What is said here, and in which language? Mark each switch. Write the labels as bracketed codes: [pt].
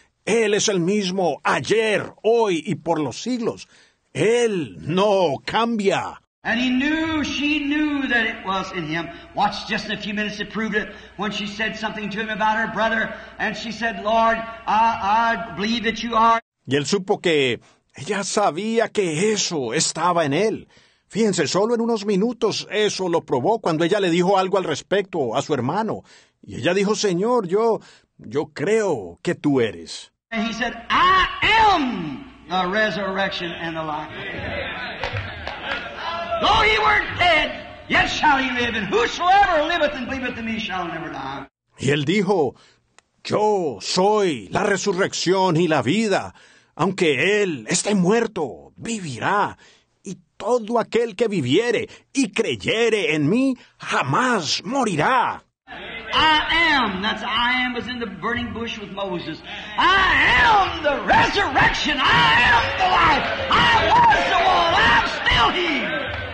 [es] Él es el mismo ayer, hoy y por los siglos. Él no cambia. [en] And he knew, she knew that it was in him. Watched just in a few minutes to prove it when she said something to him about her brother. And she said, Lord, I believe that you are. [es] Y él supo que ella sabía que eso estaba en él. Fíjense, solo en unos minutos eso lo probó cuando ella le dijo algo al respecto a su hermano. Y ella dijo, Señor, yo creo que tú eres. [en] And he said, I am the resurrection and the life. Though he were dead, yet shall he live, and whosoever liveth and believeth in me shall never die. [es] Y él dijo, yo soy la resurrección y la vida. Aunque él esté muerto, vivirá. Y todo aquel que viviere y creyere en mí, jamás morirá. [en] I am, that's I am was in the burning bush with Moses. I am the resurrection, I am the life. I was the one, I'm still he.